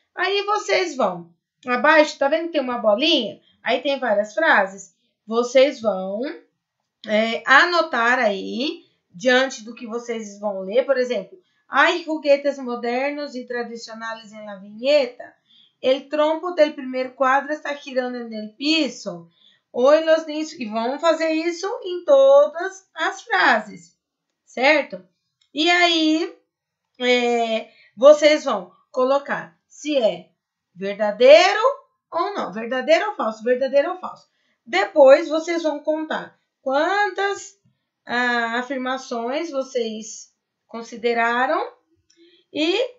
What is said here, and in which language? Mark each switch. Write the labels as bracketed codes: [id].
[pt] Aí vocês vão, abaixo, tá vendo que tem uma bolinha? Aí tem várias frases. Vocês vão anotar aí, diante do que vocês vão ler, por exemplo, as juguetes modernos e tradicionais em la vinheta. [es] El trompo del primer cuadro está girando en el piso. Oi, los niños. [pt] E vão fazer isso em todas as frases, certo? E aí, vocês vão colocar. Se é verdadeiro ou não, verdadeiro ou falso, verdadeiro ou falso. Depois vocês vão contar quantas afirmações vocês consideraram e